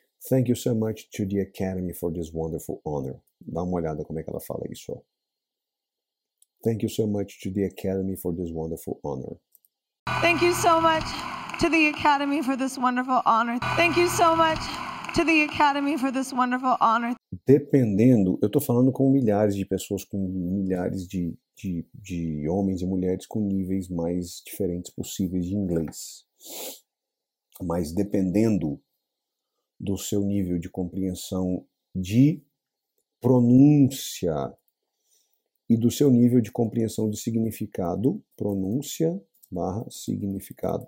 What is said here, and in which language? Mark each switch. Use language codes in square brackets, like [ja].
[en] Thank you so much to the Academy for this wonderful honor. [pt] Dá uma olhada como é que ela fala isso, ó. [en] Thank you so much to the Academy for this wonderful honor. Thank you so much to the Academy for this wonderful honor. Thank you so much to the Academy for this wonderful honor. [pt] Dependendo, eu tô falando com milhares de pessoas, com milhares de homens e mulheres com níveis mais diferentes possíveis de inglês. Mas dependendo do seu nível de compreensão de pronúncia, e do seu nível de compreensão de significado, pronúncia barra significado.